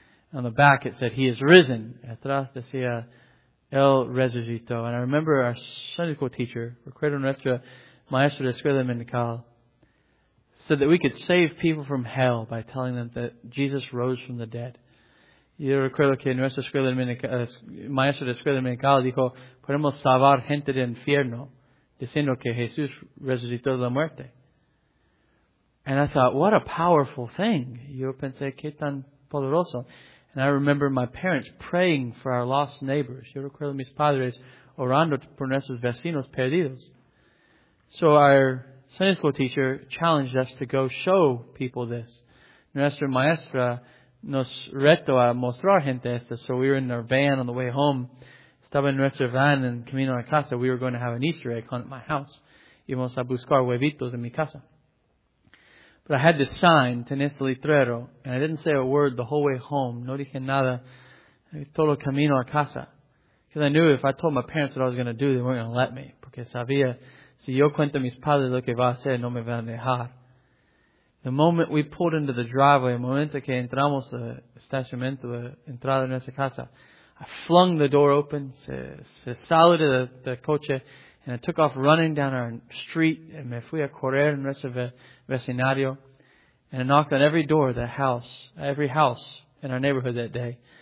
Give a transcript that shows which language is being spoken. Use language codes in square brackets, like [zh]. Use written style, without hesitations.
[en] And on the back, it said, he is risen. [es] Atrás decía, el resucitó. [en] And I remember our Sunday school teacher, [es] recuerdo nuestra maestra de escuela dominical, [en] said that we could save people from hell by telling them that Jesus rose from the dead. [es] Yo recuerdo que nuestro maestro de escuela dominical dijo, podemos salvar gente del infierno, diciendo que Jesús resucitó de la muerte. [en] And I thought, what a powerful thing. [es] Yo pensé, qué tan poderoso. [en] And I remember my parents praying for our lost neighbors. [es] Yo recuerdo mis padres orando por nuestros vecinos perdidos. [en] So our Sunday school teacher challenged us to go show people this. [es] Nuestra maestra nos retó a mostrar gente esto. [en] So we were in our van on the way home. [es] Estaba en nuestra van en camino a casa. [en] We were going to have an Easter egg hunt at my house. [es] Íbamos a buscar huevitos en mi casa. [en] But I had this sign, [es] tenés el letrero, [en] and I didn't say a word the whole way home. [es] No dije nada todo camino a casa. [en] Because I knew if I told my parents what I was going to do, they weren't going to let me. [es] Porque sabía, si yo cuento a mis padres lo que va a hacer, no me van a dejar. [en] The moment we pulled into the driveway, [es] el momento que entramos al estacionamiento, la entrada de nuestra casa, [en] I flung the door open, [es] se salió de [en] the [es] coche, [en] and I took off running down our street, and [es] me fui a correr en nuestro vecindario, [en] and I knocked on every door of the house, every house in our neighborhood that day.